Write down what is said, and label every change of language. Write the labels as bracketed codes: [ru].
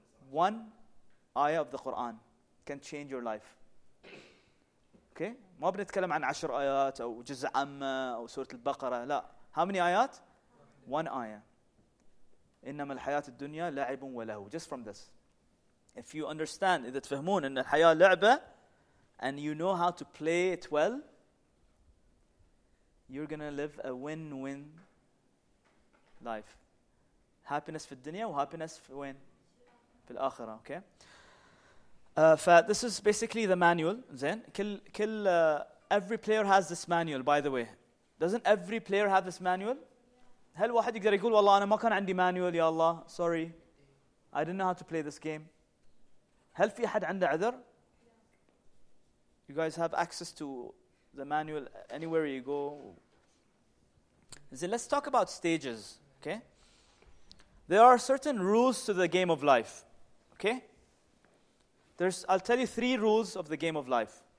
[en] One ayah of the Quran can change your life. Okay? [ar] ما بنتكلم عن عشر ayat أو جزء عامة أو سورة البقرة. لا. [en] How many ayat? One ayah. [ar] إنما الحياة الدنيا لعب وله. [en] Just from this. If you understand, [ar] إذا تفهمون إن الحياة لعبة, [en] and you know how to play it well, you're going to live a win-win life. Happiness [ar] في الدنيا وhappiness في وين؟ في الآخرة, [en] okay? This is basically the manual, [ar] زين. [en] Every player has this manual, by the way. Doesn't every player have this manual? [ar] هل واحد يقدر يقول والله أنا ما كان عندي manual يا الله, [en] sorry. I didn't know how to play this game. [ar] هل في أحد عنده عذر? [en] You guys have access to the manual anywhere you go. So let's talk about stages, okay? There are certain rules to the game of life, okay? I'll tell you three rules of the game of life.